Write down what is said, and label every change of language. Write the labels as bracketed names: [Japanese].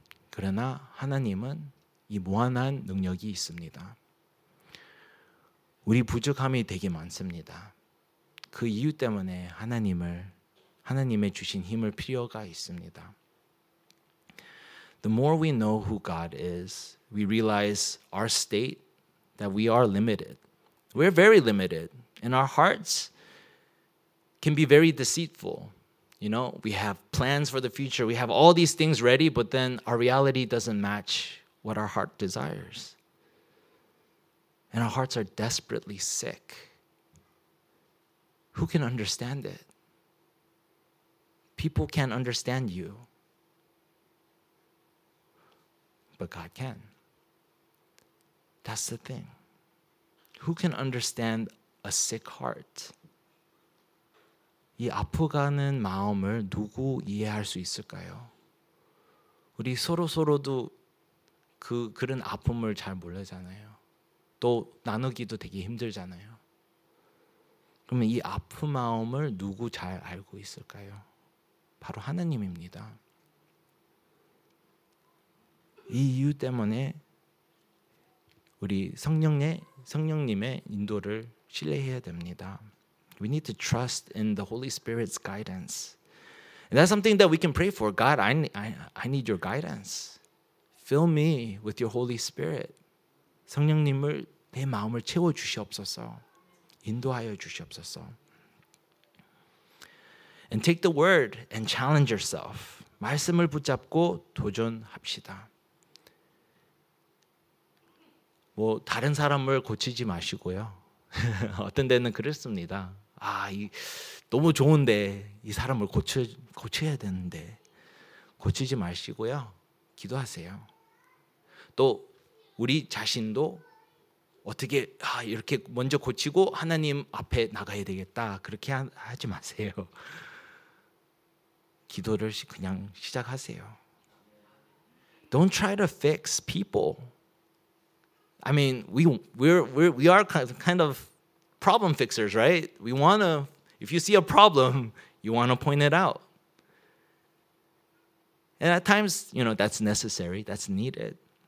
[Korean] 그러나 하나님은 이 무한한 능력이 있습니다. 우리 부족함이 되게 많습니다. 그 이유 때문에 하나님의 주신 힘을 필요가 있습니다. [English] The more we know who God is, we realize our state, that we are limited. We're very limited. And our hearts can be very deceitful. You know, we have plans for the future. We have all these things ready, but then our reality doesn't match what our heart desires. And our hearts are desperately sick. Who can understand it? People can't understand you. But God can. That's the thing. Who can understand a sick heart? [Korean] 이 아프가는 마음을 누구 이해할 수 있을까요? 우리 서로서로도 그런 아픔을 잘 모르잖아요. 또 나누기도 되게 힘들잖아요. 그러면 이 아픈 마음을 누구 잘 알고 있을까요? 바로 하나님입니다. 이 이유 때문에 우리 성령님의 인도를 신뢰해야 됩니다. [English] We need to trust in the Holy Spirit's guidance. And that's something that we can pray for. God, I need your guidance. Fill me with your Holy Spirit. [Korean] 성령님을 내 마음을 채워주시옵소서. 인도하여 주시옵소서. [English] And take the word and challenge yourself. [Korean] 말씀을 붙잡고 도전합시다. 뭐 다른 사람을 고치지 마시고요. 어떤 데는 그랬습니다. 아, 이 너무 좋은데 이 사람을 고쳐야 되는데 고치지 마시고요. 기도하세요. 또 우리 자신도 어떻게 이렇게 먼저 고치고 하나님 앞에 나가야 되겠다. 그렇게 하지 마세요. 기도를 그냥 시작하세요. [English] Don't try to fix people. I mean, we are kind of problem fixers, right? We want to, if you see a problem, you want to point it out. And at times, you know, that's necessary, that's needed.